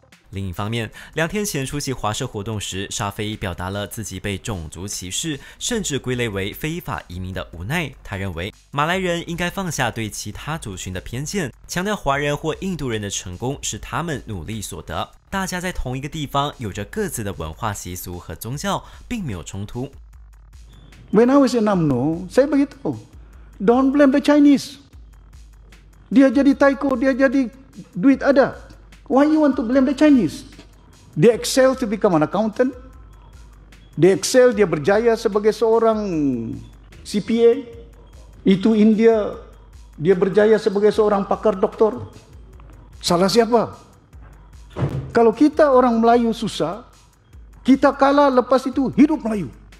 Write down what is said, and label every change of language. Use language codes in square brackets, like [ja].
[zh] 另一方面，两天前出席华社活动时，沙菲表达了自己被种族歧视，甚至归类为非法移民的无奈。他认为，马来人应该放下对其他族群的偏见，强调华人或印度人的成功是他们努力所得。大家在同一个地方，有着各自的文化习俗和宗教，并没有冲突。 [en] When I was in UMNO, [ms] saya begitu, [en] don't blame the Chinese. [ms] Dia jadi taiko, dia jadi duit ada. [en] Why you want to blame the Chinese? They excel to become an accountant. They excel, [ms] dia berjaya sebagai seorang CPA. Itu India, dia berjaya sebagai seorang pakar doktor. Salah siapa? Kalau kita orang Melayu susah, kita kalah lepas itu hidup Melayu.